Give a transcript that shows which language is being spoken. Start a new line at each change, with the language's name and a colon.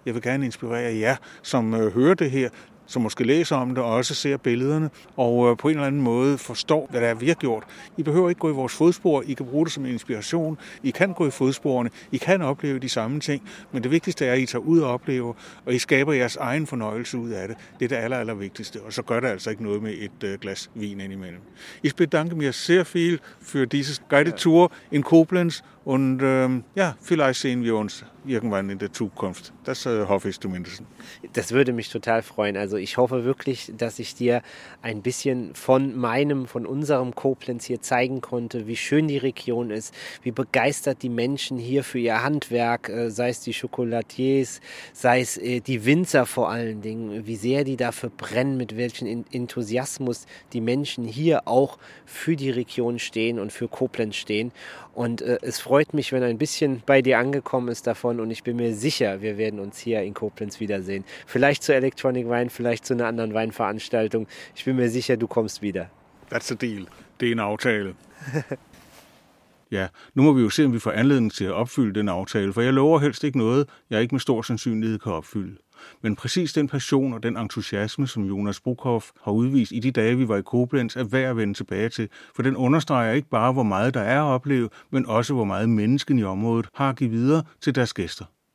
Danish: Jeg vil gerne inspirere jer, som hører det her, som måske læser om det og også ser billederne og på en eller anden måde forstår, hvad der er, vi har gjort. I behøver ikke gå i vores fodspor, I kan bruge det som inspiration, I kan gå i fodsporene, I kan opleve de samme ting, men det vigtigste er, at I tager ud og oplever, og I skaber jeres egen fornøjelse ud af det. Det er det allervigtigste, og så gør det altså ikke noget med et glas vin indimellem.
German: Ich bedanke mich sehr viel für diese
English: guided tour
German: in Koblenz und ja, vielleicht sehen wir uns irgendwann in der Zukunft. Das hoffe ich zumindest. Das würde mich total freuen. Also ich hoffe wirklich, dass ich dir ein bisschen von meinem, von unserem Koblenz hier zeigen konnte, wie schön die Region ist, wie begeistert die Menschen hier für ihr Handwerk, sei es die Chocolatiers, sei es die Winzer vor allen Dingen, wie sehr die dafür brennen, mit welchem Enthusiasmus die Menschen hier auch für die Region stehen und für Koblenz stehen. Und es freut mich, wenn ein bisschen bei dir angekommen ist davon, und ich bin mir sicher, wir werden uns hier in Koblenz wiedersehen. Vielleicht zu Electronic Wine, vielleicht zu einer anderen Weinveranstaltung. Ich bin mir sicher, du kommst wieder.
English: That's a deal.
Danish: Den Aftale. Ja, nu må vi jo se, om vi får anledning til at opfylde den aftale, for jeg lover helst ikke noget, jeg ikke med stor sandsynlighed kan opfylde. Men præcis den passion og den entusiasme, som Jonas Brukhoff har udvist i de dage, vi var i Koblenz, er værd at vende tilbage til, for den understreger ikke bare, hvor meget der er at opleve, men også, hvor meget mennesken i området har at give videre til deres gæster.